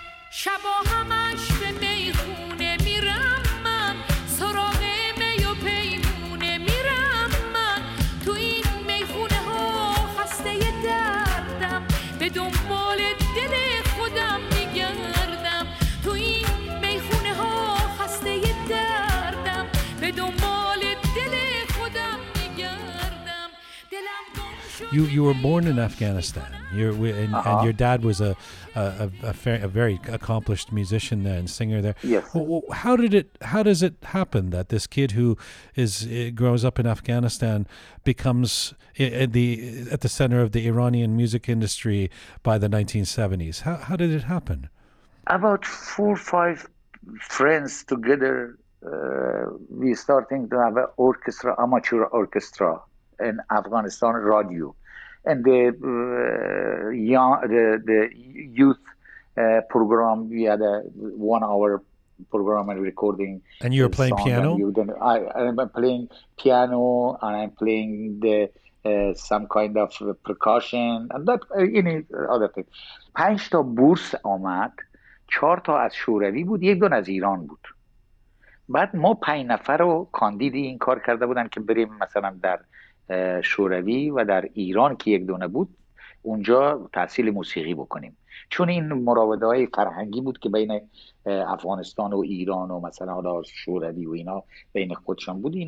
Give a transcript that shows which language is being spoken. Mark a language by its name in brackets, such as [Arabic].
[Persian] شبا همش به میخونه میرم من، سراغ می و پیمونه میرم من، تو این میخونه ها خسته دردم، به دنبال دل خودم میگردم، تو این میخونه ها خسته دردم، به دنبال دل خودم میگردم. دلم [English] You were born in Afghanistan. And your dad was a very accomplished musician there and singer there. Yes. How does it happen that this kid who grows up in Afghanistan becomes at the center of the Iranian music industry by the 1970s? How did it happen? About four or five friends together, we starting to have an orchestra, amateur orchestra in Afghanistan radio. And the youth program, we had a one-hour program and recording. And you were playing piano? I'm playing piano, and I'm playing some kind of percussion, and that any other thing. [Persian] پنج تا بورس آمد، چهار تا از شوروی بود، یک دون از ایران بود. بعد ما پنج نفر رو کاندیدی این کار کرده بودن که بریم مثلا در شوروی و در ایران که یک دونه بود اونجا تحصیل موسیقی بکنیم، چون این مراوده های فرهنگی بود که بین افغانستان و ایران و مثلا حالا شوروی و اینا بین خودشان بود.